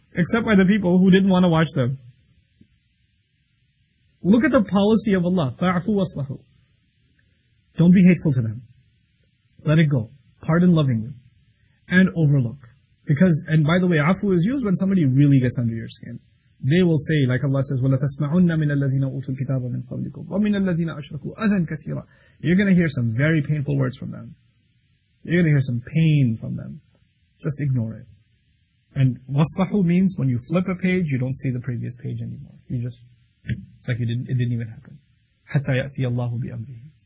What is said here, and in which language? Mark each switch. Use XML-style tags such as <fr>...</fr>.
<en>except by the people who didn't want to watch them. Look at the policy of Allah.</en> <ar>فَاعْفُوا وَاصْلَحُوا.</ar> <en>Don't be hateful to them. Let it go. Pardon lovingly. And overlook. Because, and by the way, afu is used when somebody really gets under your skin. They will say, like Allah says,</en> <ar>وَلَتَسْمَعُنَّ مِنَ الَّذِينَ أُوتُوا الْكِتَابَ مِنْ قَبْلِكُمْ وَمِنَ الَّذِينَ أَشْرَكُوا أَذًا كَثِيرًا.</ar> <en>You're going to hear some very painful words from them. You're going to hear some pain from them. Just ignore it. And wasfahu means when you flip a page, you don't see the previous page anymore. You just, it's like it didn't even happen.</en> <ar>حَتَّى يَأْتِيَ اللَّهُ بِأَمْرِهِ.</ar>